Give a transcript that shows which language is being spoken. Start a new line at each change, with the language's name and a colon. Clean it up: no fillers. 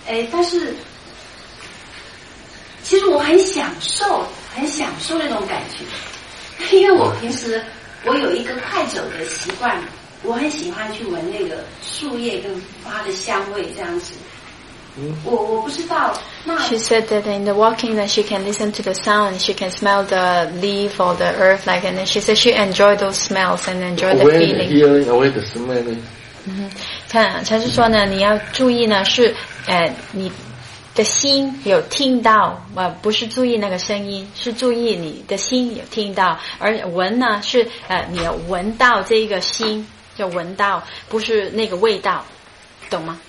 Chinese: 但是其实我很享受那种感觉，因为我平时我有一个快走的习惯，我很喜欢去闻那个树叶跟花的香味这样子。我不知道。
English: She said that in the walking, that she can listen to the sound, she can smell the leaf or the earth, like, and then she said she enjoy those smells and enjoy the feeling. Away the hearing, away the smell.
Chinese: 看，禅师说呢，你要注意呢，是，你。的心有听到，不是注意那个声音，是注意你的心有听到，而闻呢是你有闻到这个心，就闻到，不是那个味道，懂吗？